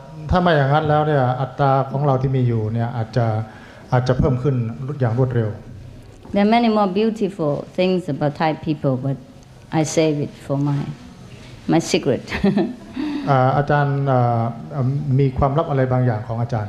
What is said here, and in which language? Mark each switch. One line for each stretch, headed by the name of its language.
Thai: ถ้าไม่อย่างนั้นแล้วเนี่ยอัตราของเราที่มีอยู่เนี่ยอาจจะเพิ่มขึ้นอย่างรวดเร็ว
English: There are many more beautiful things about Thai people but I save it for my secret
Thai: อาจารย์มีความลับอะไรบางอย่างของอาจารย